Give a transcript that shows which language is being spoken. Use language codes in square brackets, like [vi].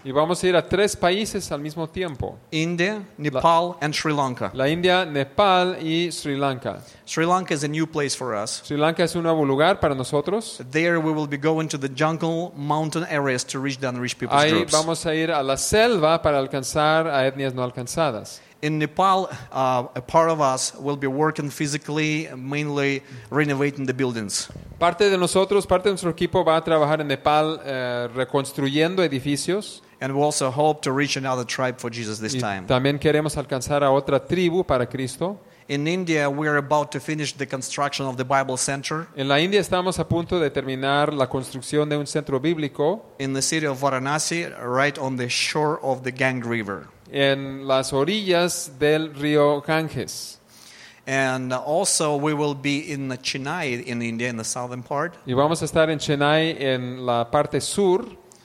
[es] Y vamos a ir a 3 países al mismo tiempo. [en] India, Nepal, and Sri Lanka. [es] La India, Nepal y Sri Lanka. [en] Sri Lanka is a new place for us. [es] Sri Lanka es un nuevo lugar para nosotros. [en] There we will be going to the jungle mountain areas to reach the unreached people's [es] Ahí [en] groups. [es] Ahí vamos a ir a la selva para alcanzar a etnias no alcanzadas. [en] In Nepal, a part of us will be working physically, mainly renovating the buildings. [es] Parte de nosotros, parte de nuestro equipo va a trabajar en Nepal reconstruyendo edificios. [en] And we also hope to reach another tribe for Jesus this time. [es] Y también queremos alcanzar a otra tribu para Cristo. [en] In India, we are about to finish the construction of the Bible Center. [es] En la India estamos a punto de terminar la construcción de un centro bíblico. [en] In the city of Varanasi, right on the shore of the Ganges River. [es] En las orillas del río Ganges. [en] And also we will be in Chennai in India, in the southern part. [es] Y vamos a estar en Chennai en la parte sur.